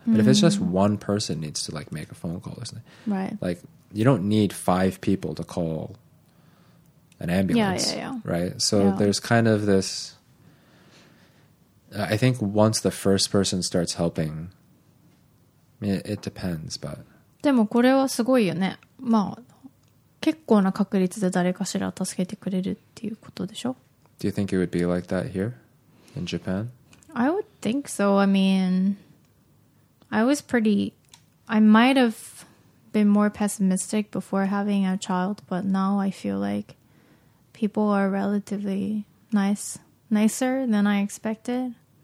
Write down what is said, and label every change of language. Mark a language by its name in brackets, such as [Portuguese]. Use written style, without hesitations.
[English] But if it's just one person needs to like make a phone call or something, right. Like you don't need 5 people to call an ambulance, right? So there's kind of this... I think once the first person starts helping, I mean, it depends, but... [Japanese] でもこれはすごいよね。まあ、結構な確率で誰かしら助けてくれるっていうことでしょ? [English] Do you think it would be like that here in Japan? I would think so. I mean, I might have been more pessimistic before having a child, but now I feel like people are relatively nicer than I expected.